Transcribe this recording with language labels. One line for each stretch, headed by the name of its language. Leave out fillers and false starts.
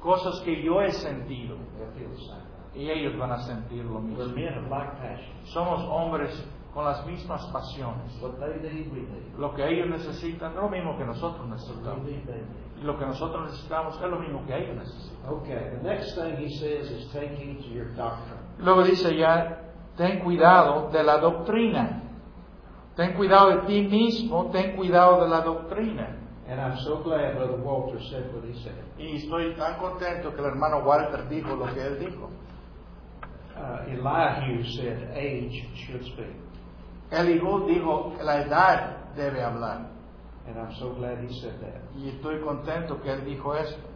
Spanish: Cosas que yo he sentido.
English: They feel the same.
Spanish: Y ellos van a sentir lo mismo.
English: We're men of like passion.
Spanish: Somos hombres con las mismas pasiones.
English: What they need, we need.
Spanish: Lo que ellos necesitan es lo mismo que nosotros necesitamos. Lo que nosotros necesitamos es lo mismo que ellos necesitan.
English: Okay. The next thing he says is take heed to your doctrine.
Spanish: Luego dice ya, ten cuidado de la doctrina. Ten cuidado de ti mismo, ten cuidado de la doctrina.
English: And I'm so glad Brother Walter said what he said.
Spanish: Y estoy tan contento que el hermano Walter dijo lo que él dijo.
English: Elihu said age should speak.
Spanish: Elihu dijo que la edad debe hablar.
English: And I'm so glad he said that.
Spanish: Y estoy contento que él dijo esto.